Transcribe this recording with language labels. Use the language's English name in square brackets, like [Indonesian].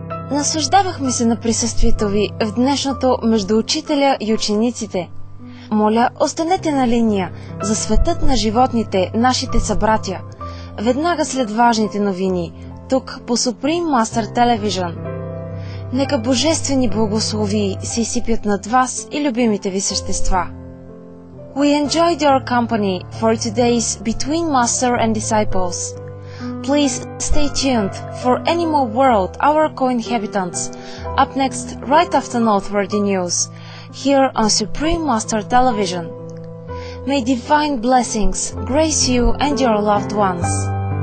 [Bulgarian] Наслаждавахме се на присъствието ви в днешното Между учителя и учениците. Моля, останете на линия за Светът на животните, нашите събратя. Веднага след важните новини, тук по Supreme Master Television. Нека божествени благословии се изсипят над вас и любимите ви същества. [English] We enjoyed your company for today's Between Master and Disciples. Please stay tuned for Animal World, Our Co-Inhabitants, up next right after Northworthy News, here on Supreme Master Television. May divine blessings grace you and your loved ones.